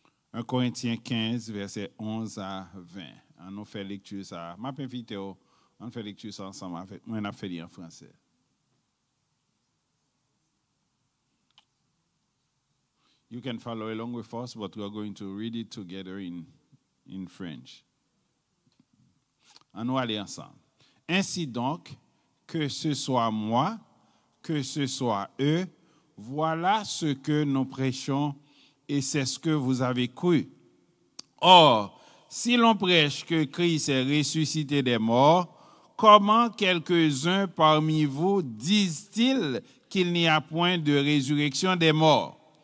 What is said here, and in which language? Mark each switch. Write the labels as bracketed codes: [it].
[fr] 1 Corinthiens 15, verset 11 à 20. On nous fait lecture ça. M'a invité au. On fait lecture ça ensemble avec moi, on a fait lire en français. [en] You can follow along with us, but we are going to read it together in French. [fr] On va aller ensemble. Ainsi donc, que ce soit moi, que ce soit eux, voilà ce que nous prêchons et c'est ce que vous avez cru. Or, si l'on prêche que Christ est ressuscité des morts, comment quelques-uns parmi vous disent-ils qu'il n'y a point de résurrection des morts?